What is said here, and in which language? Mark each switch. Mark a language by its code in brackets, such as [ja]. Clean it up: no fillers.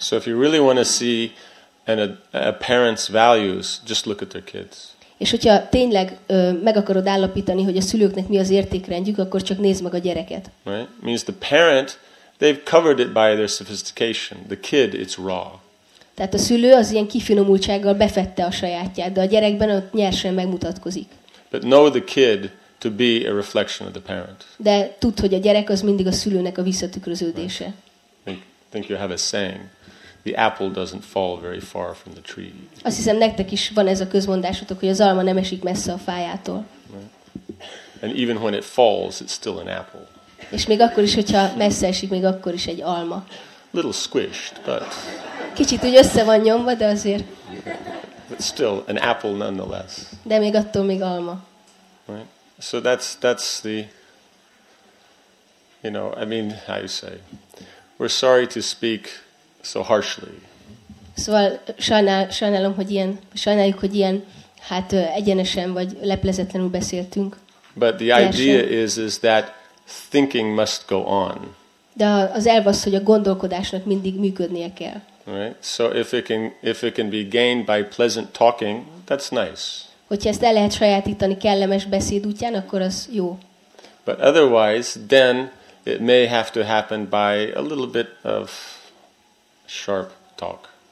[en] So if you really want to see a parent's values, just look at their kids. [hu] És hogyha tényleg meg akarod állapítani, hogy a szülőknek mi az értékrendjük, akkor csak nézd meg a gyereket. [en] Right? Means the parent, they've covered it by their sophistication. The kid, it's raw. [hu] Tehát a szülő az ilyen kifinomultsággal befette a sajátját, de a gyerekben ott nyersen megmutatkozik. [en] But know the kid to be a reflection of the parent. [hu] De tudd, hogy a gyerek az mindig a szülőnek a visszatükröződése. [en] Right. I think you have a saying. The apple doesn't fall very far from the tree. [hu] Azt hiszem, nektek is van ez a közmondásotok, hogy az alma nem esik messze a fájától. [en] Right. And even when it falls, it's still an apple. [hu] És még akkor is, hogyha messze esik, még akkor is egy alma. [en] Little squished, but... [hu] Kicsit úgy össze van nyomva, de azért... [en] But still, an apple nonetheless. [hu] De még attól még alma. [en] Right. So that's the... You know, I mean, how you say... We're sorry to speak so harshly. [hu] Szóval sajnáljuk, hogy ilyen, hát egyenesen vagy leplezetlenül beszéltünk. [en] But the idea is that thinking must go on. [hu] De az elv az, hogy a gondolkodásnak mindig működnie kell. [en] Right? So if it can be gained by pleasant talking, that's nice. [hu] Hogyha ezt el lehet sajátítani kellemes beszéd útján, akkor az jó. [en] But otherwise, then it may have to happen by a little bit of sharp talk.